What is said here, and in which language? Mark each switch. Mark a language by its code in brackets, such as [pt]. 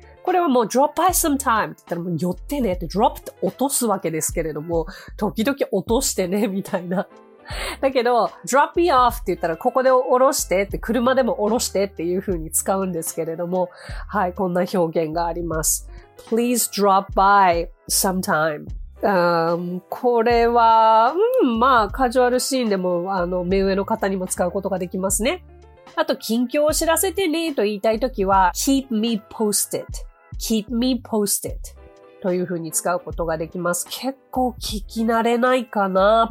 [ja] これはもう [en] drop by sometime [ja] って言ったらもう寄ってねって、drop って落とすわけですけれども、時々落としてね、みたいな。だけど、 [en] drop me off [ja] って言ったら、ここで降ろしてって、車でも降ろしてっていう風に使うんですけれども、はい、こんな表現があります。 [en] Please drop by sometime。 [ja] これは、まあ、カジュアルシーンでも、目上の方にも使うことができますね。あと、近況を知らせてねと言いたいときは、 [en] keep me posted。 keep me posted。 [ja] という風に使うことができます。結構聞き慣れないかな。